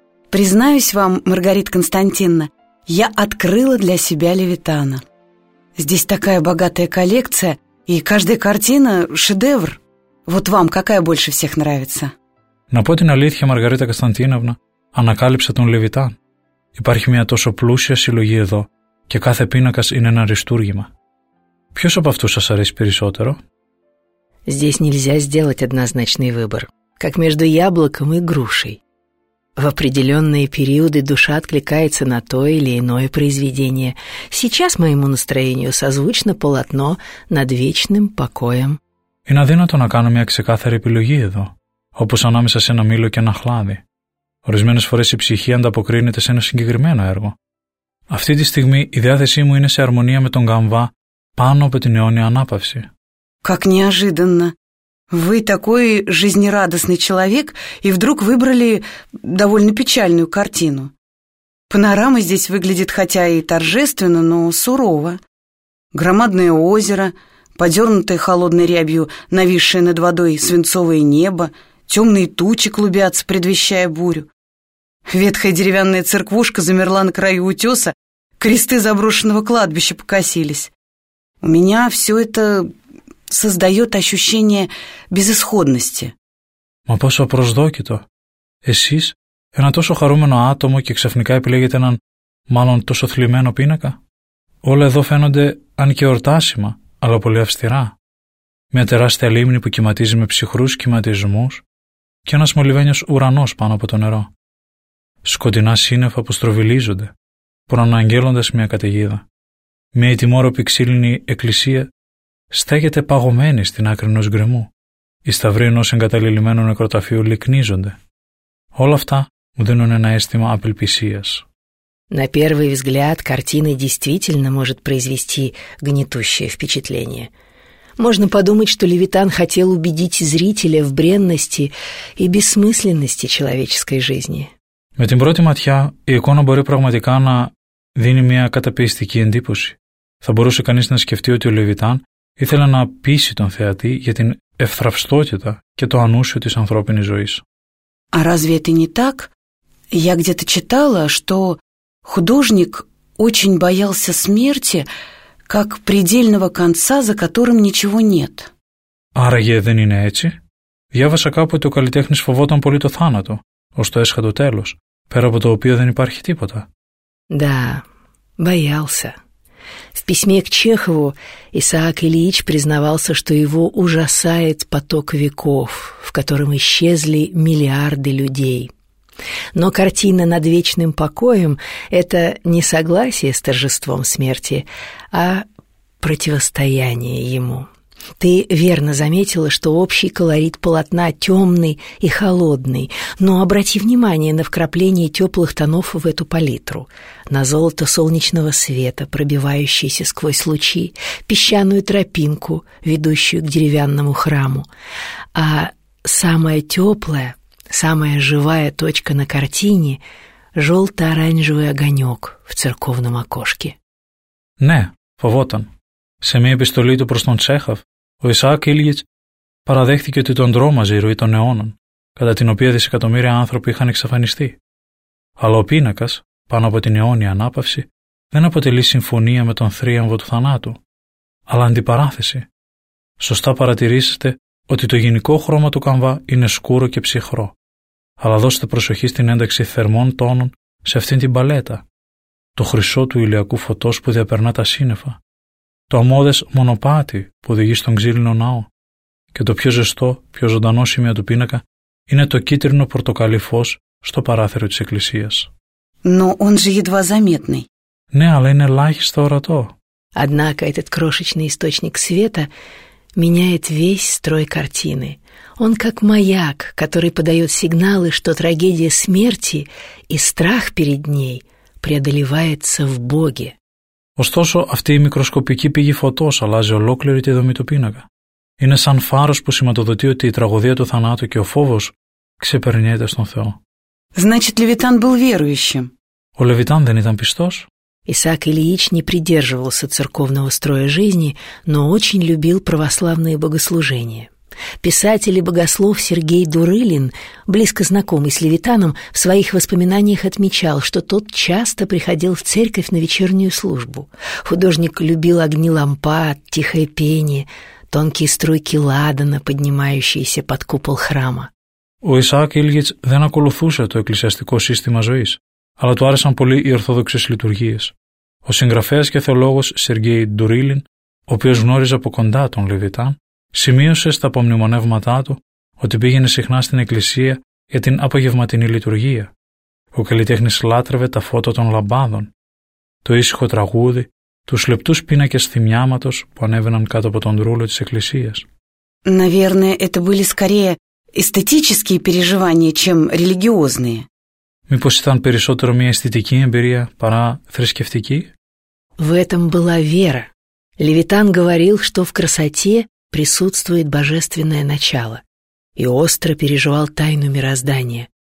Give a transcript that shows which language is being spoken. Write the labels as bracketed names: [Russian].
[Russian] Признаюсь вам, Маргарита Константиновна, я открыла для себя Левитана. Здесь такая богатая коллекция, и каждая картина – шедевр. Вот вам какая больше всех нравится? [Greek] На по την αλήθεια, Маргарита Константиновна, ανακάλυψα τον Левитан. Υπάρχει μια τόσο πλούσια συλλογή εδώ, και κάθε πίνακας είναι ένα αριστούργημα. Ποιος από αυτούς σας αρέσει περισσότερο? [Russian] Здесь нельзя сделать однозначный выбор, как между яблоком и грушей. В определенные периоды душа откликается на то или иное произведение. Сейчас моему настроению созвучно полотно над вечным покоем. [Greek] Είναι αδύνατο να κάνω μια ξεκάθαρη επιλογή εδώ, όπως ανάμεσα σε ένα μήλο και ένα χλάδι. Ορισμένες φορές η ψυχή ανταποκρίνεται σε ένα συγκεκριμένο έργο. Αυτή τη στιγμή η διάθεσή μου είναι σε αρμονία με τον καμβά πάνω από την αιώνια ανάπαυση. [Russian] Как неожиданно. Вы такой жизнерадостный человек, и вдруг выбрали довольно печальную картину. Панорама здесь выглядит хотя и торжественно, но сурово. Громадное озеро, подернутое холодной рябью, нависшее над водой свинцовое небо, темные тучи клубятся, предвещая бурю. Ветхая деревянная церквушка замерла на краю утеса, кресты заброшенного кладбища покосились. У меня все это... создает ощущение безысходности. [Greek] Μα πόσο προσδόκητο. Εσείς, ένα τόσο χαρούμενο άτομο και ξαφνικά επιλέγετε έναν, μάλλον τόσο θλιμμένο πίνακα. Όλα εδώ φαίνονται, αν και ορτάσιμα, αλλά πολύ αυστηρά. Μια τεράστια λίμνη που κυματίζει με ψυχρούς σχηματισμούς και ένας μολυβένιος ουρανός πάνω από το νερό. Σκοτεινά σύννεφα που στροβιλίζονται, προαναγγέλλοντας μια καταιγίδα. Μια ετοιμόρροπη ξύλινη εκκλησία στέκεται παγωμένη στην άκρη ενός γκρεμού. Οι σταυροί ενός εγκαταλελειμμένου νεκροταφείου λυκνίζονται. Όλα αυτά μου δίνουν ένα αίσθημα απελπισίας. [Russian] На первый взгляд, картина действительно может произвести гнетущее впечатление. Можно подумать, что Левитан хотел убедить зрителя в бренности и бессмысленности человеческой жизни. [Greek] Με την πρώτη ματιά, η εικόνα μπορεί πραγματικά να δίνει μια καταπιεστική εντύπωση. Θα μπορούσε κανείς να σκεφτεί ότι ο Λεβιτάν ήθελα να πείσει τον θεατή για την ευθραυστότητα και το ανούσιο της ανθρώπινης ζωής. [Russian] А разве это не так? Я где-то читала, что художник очень боялся смерти, как предельного конца, за которым ничего нет. [Greek] Άραγε δεν είναι έτσι? Διάβασα κάπου ότι ο καλλιτέχνης φοβόταν πολύ το θάνατο, ως το έσχατο τέλος, πέρα από το οποίο δεν υπάρχει τίποτα. [Russian] Да, боялся. В письме к Чехову Исаак Ильич признавался, что его ужасает поток веков, в котором исчезли миллиарды людей. Но картина над вечным покоем – это не согласие с торжеством смерти, а противостояние ему. Ты верно заметила, что общий колорит полотна темный и холодный, но обрати внимание на вкрапление теплых тонов в эту палитру, на золото солнечного света, пробивающееся сквозь лучи, песчаную тропинку, ведущую к деревянному храму. А самая теплая, самая живая точка на картине – желто-оранжевый огонек в церковном окошке. Не, вот он. Семья пистолей до простон Чехов. [Greek] Ο Ισαάκ Ίλγιτς παραδέχθηκε ότι τον τρόμαζε η ροή των αιώνων, κατά την οποία δισεκατομμύρια άνθρωποι είχαν εξαφανιστεί. Αλλά ο πίνακας, πάνω από την αιώνια ανάπαυση, δεν αποτελεί συμφωνία με τον θρίαμβο του θανάτου, αλλά αντιπαράθεση. Σωστά παρατηρήσετε ότι το γενικό χρώμα του καμβά είναι σκούρο και ψυχρό. Αλλά δώστε προσοχή στην ένταξη θερμών τόνων σε αυτήν την παλέτα. Το χρυσό του ηλιακού φωτός που διαπερνά τα σύννεφα. Το αμμώδες μονοπάτι που οδηγεί στον ξύλινο ναό και το πιο ζεστό, πιο ζωντανό σημείο του πίνακα είναι το κίτρινο πορτοκαλί φως στο παράθυρο της εκκλησίας. [Russian] Но он же едва заметный. [Greek] Ναι, αλλά είναι ελάχιστο ορατό. [Russian] Однако этот крошечный источник света меняет весь строй картины. Он как маяк, который подает сигналы, что трагедия смерти и страх перед ней преодолевается в Боге. [Greek] Ωστόσο, αυτή η μικροσκοπική πηγή φωτός αλλάζει ολόκληρη τη δομή του πίνακα. Είναι σαν φάρος που σηματοδοτεί ότι η τραγωδία του θανάτου και ο φόβος ξεπερνιέται στον Θεό. [Russian] Значит, Левитан был верующим. [Greek] Ο Левитан δεν ήταν πιστός? [Russian] Исаак Ильич не придерживался церковного строя жизни, но очень любил православные богослужения. Писатель и богослов Сергей Дурылин, близко знакомый с Левитаном, в своих воспоминаниях отмечал, что тот часто приходил в церковь на вечернюю службу. Художник любил огни лампад, тихое пение, тонкие струйки ладана, поднимающиеся под купол храма. [Greek] У Исаака Ильич δεν ακολουθούσε το εκκλησιαστικό σύστημα ζωής, αλλά του άρεσαν πολύ οι ορθόδοξες λειτουργίες. Ο συγγραφέας και θεολόγος Σεργέι Ντουρίλιν, ο οποίος γνώριζε από κοντά τον Λεβιτάν, σημείωσε στα απομνημονεύματά του ότι πήγαινε συχνά στην εκκλησία για την απογευματινή λειτουργία. Ο καλλιτέχνης λάτρευε τα φώτα των λαμπάδων, το ήσυχο τραγούδι, τους λεπτούς πίνακες θυμιάματος που ανέβαιναν κάτω από τον ρούλο της εκκλησίας. [Russian] Наверное, это были скорее эстетические переживания, чем религиозные. [Greek] Μήπως ήταν περισσότερο μια αισθητική εμπειρία παρά θρησκευτική? [Russian] В этом была вера. Левитан говорил, что в красоте присутствует божественное начало, и остро переживал тайну мироздания.